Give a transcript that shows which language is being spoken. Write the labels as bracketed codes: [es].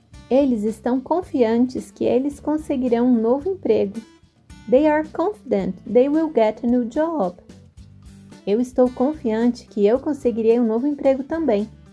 [pt] Eles estão confiantes que eles conseguirão um novo emprego. [en] They are confident they will get a new job. [pt] Eu estou confiante que eu conseguirei um novo emprego também.